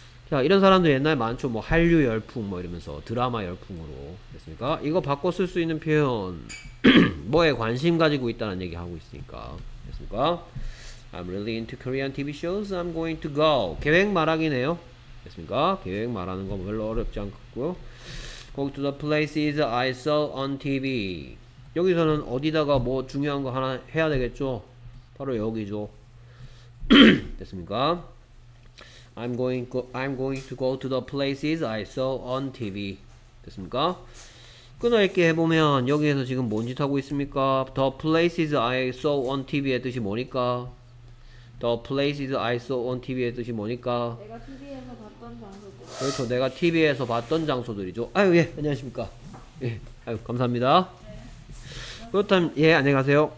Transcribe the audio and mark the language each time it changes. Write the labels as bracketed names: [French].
[Korean] 자, 이런 사람들 옛날에 많죠. 뭐 한류 열풍 뭐 이러면서 드라마 열풍으로. 됐습니까? 이거 바꿔 쓸 수 있는 표현. 뭐에 관심 가지고 있다는 얘기 하고 있으니까. [English] 됐습니까? I'm really into Korean TV shows. I'm going to go. [Korean] 계획 말하기네요. [English] 됐습니까? [Korean] 계획 말하는 건 별로 어렵지 않고요. [English] Go to the places I saw on TV. [Korean] 여기서는 어디다가 뭐 중요한 거 하나 해야 되겠죠? 바로 여기죠. 됐습니까? [English] I'm going to go to the places I saw on TV. [Korean] 됐습니까? 끊어있게 해보면 여기에서 지금 뭔 짓 하고 있습니까? [English] The places I saw on TV의 [Korean] 뜻이 뭐니까? [English] The places I saw on TV의 뜻이 뭐니까? [Korean] 내가 TV에서 봤던 장소들. 그렇죠. 내가 TV에서 봤던 장소들이죠. 아유, 예. 안녕하십니까. 예. 아유, 감사합니다. 네. 그렇다면, 예. 안녕하세요.